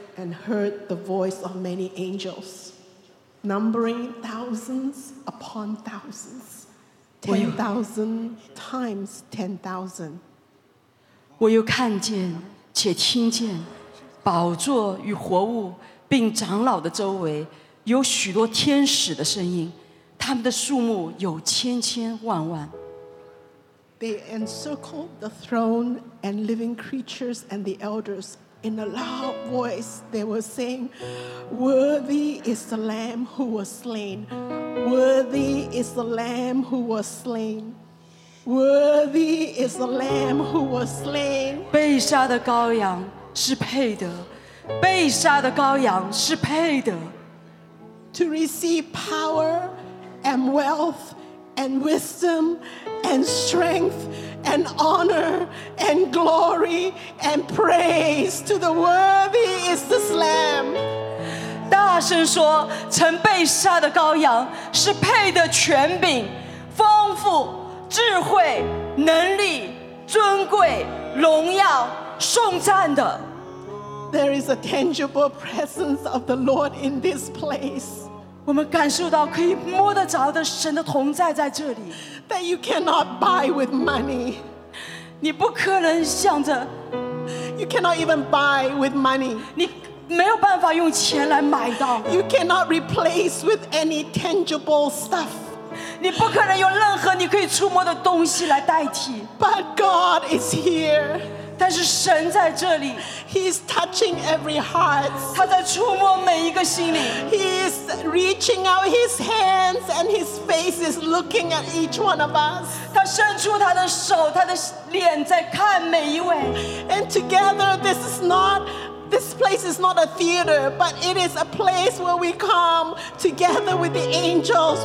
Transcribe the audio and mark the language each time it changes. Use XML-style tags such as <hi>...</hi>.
<en>and heard the voice of many angels, numbering thousands upon thousands, 10,000 times 10,000.</en> <zh>我又看见且听见, 宝座与活物并长老的周围有许多天使的声音, 他们的数目有千千万万。</zh> <en>They encircled the throne and living creatures and the elders. In a loud voice, they were saying, Worthy is the Lamb who was slain. Worthy is the Lamb who was slain. Worthy is the Lamb who was slain.</en> <zh>被杀的羔羊是配得, 被杀的羔羊是配得。</zh> <en>To receive power and wealth and wisdom and strength and honor and glory and praise to the worthy is the Lamb.</en> <zh>大声说，曾被杀的羔羊是配得权柄、丰富、智慧、能力、尊贵、荣耀、颂赞的。</zh> <en>There is a tangible presence of the Lord in this place.</en> <zh>我们感受到可以摸得着的神的同在在这里。</zh> <en>That you cannot buy with money.</en> <zh>你不可能想着。</zh> <en>You cannot even buy with money.</en> <zh>你没有办法用钱来买到。</zh> <en>You cannot replace with any tangible stuff.</en> <zh>你不可能用任何你可以触摸的东西来代替。</zh> <en>But God is here.</en> <zh>但是神在这里,</zh> <en>He is touching every heart.</en> <zh>他在触摸每一个心里,</zh> <en>He is reaching out His hands and His face is looking at each one of us.</en> <zh>他伸出他的手, 他的脸在看每一位。</zh> <en>And together, this place is not a theater, but it is a place where we come together with the angels.</en>